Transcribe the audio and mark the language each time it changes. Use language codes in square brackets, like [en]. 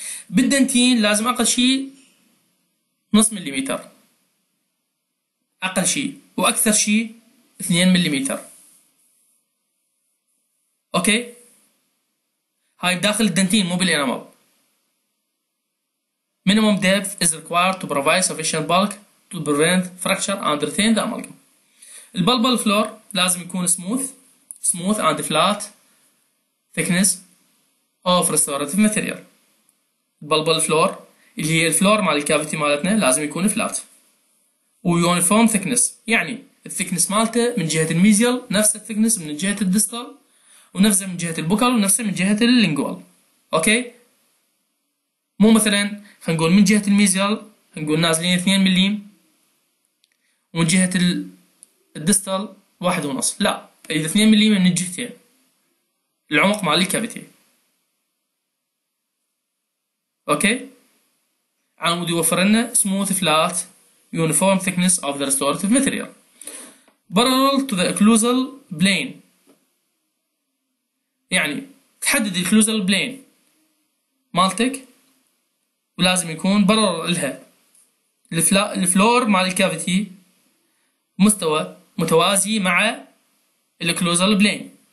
[ar] بالدنتين لازم أقل شيء نص مليمتر، أقل شيء، وأكثر شيء 2 مليمتر. اوكي، هاي داخل الدنتين مو بالانامل. [en] Minimum depth is required to provide sufficient bulk to prevent fracture and retain the amalgam. [ar] البلبل فلور لازم يكون سموث [en] smooth and flat thickness of restorative material. [ar] Bulbal floor اللي هي الفلور مال الكافيتي مالتنا لازم يكون فلات. ويونيفورم ثيكنس يعني الثيكنس مالته من جهه الميزيال نفس الثيكنس من جهه الدستال ونفسه من جهه البوكال ونفسه من جهه اللينجوال. اوكي مو مثلا خلينا نقول من جهه الميزيال نقول نازلين 2 مليم ومن جهه الدستال 1.5، لا اذا 2 مليم من الجهتين العمق مال الكافيتي. اوكي عمود يوفر لنا [en] smooth flat uniform thickness of the restorative material parallel to the occlusal plane. [ar] يعني تحدد ال occlusal plane مالتك ولازم يكون parallel لها ال floor مع ال cavity مستوى متوازي مع ال occlusal plane.